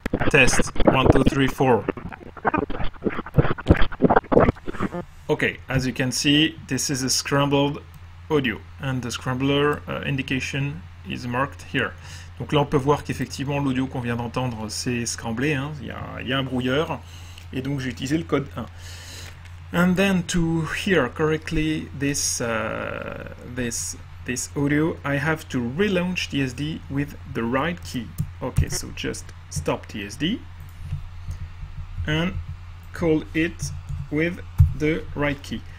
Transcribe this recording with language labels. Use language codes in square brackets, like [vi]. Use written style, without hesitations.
[en] Test 1, 2, 3, 4. Okay, as you can see, this is a scrambled audio and the scrambler indication is marked here. [fr] Donc là, on peut voir qu'effectivement, l'audio qu'on vient d'entendre, c'est scramblé, hein. Il y a un brouilleur et donc j'ai utilisé le code 1. [en] And then to hear correctly this audio, I have to relaunch DSD with the right key. Okay, so just stop DSD and call it with the right key.